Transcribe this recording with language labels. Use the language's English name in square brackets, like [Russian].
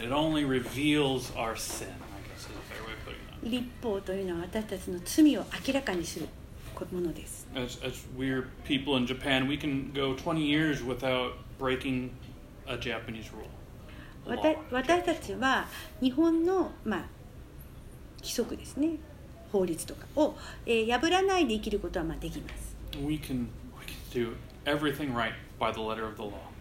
[English] It only reveals our sin, I guess is a fair way of putting that. [Japanese] 律法というのは私たちの罪を明らかにするものです。 [English] As we're people in Japan, we can go 20 years without breaking a Japanese rule. [Japanese] 私たちは日本の、まあ、規則ですね。法律とかを、破らないで生きることはまあできます。 [English] We can do everything right by the letter of the law.